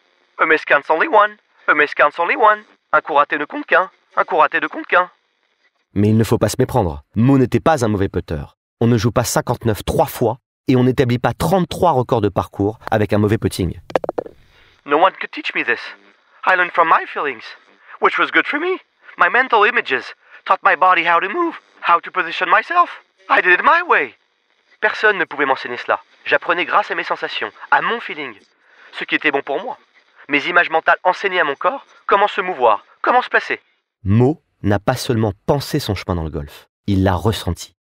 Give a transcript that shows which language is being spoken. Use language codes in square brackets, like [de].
[en] « A miss counts only one, [fr] a miss counts only one, un coup raté ne compte qu'un, un coup raté ne compte qu'un !» Mais il ne faut pas se méprendre, Mo n'était pas un mauvais putter. On ne joue pas 59 trois fois et on n'établit pas 33 records de parcours avec un mauvais putting. [en] « No one could teach me this. I learned from my feelings. » Which was good for me. My mental images taught my body how to move, how to position myself. I did it my way. [fr] Personne ne pouvait m'enseigner cela. J'apprenais grâce à mes sensations, à mon feeling, ce qui était bon pour moi. Mes images mentales enseignaient à mon corps comment se mouvoir, comment se placer. Mo n'a pas seulement pensé son chemin dans le golf, il l'a ressenti.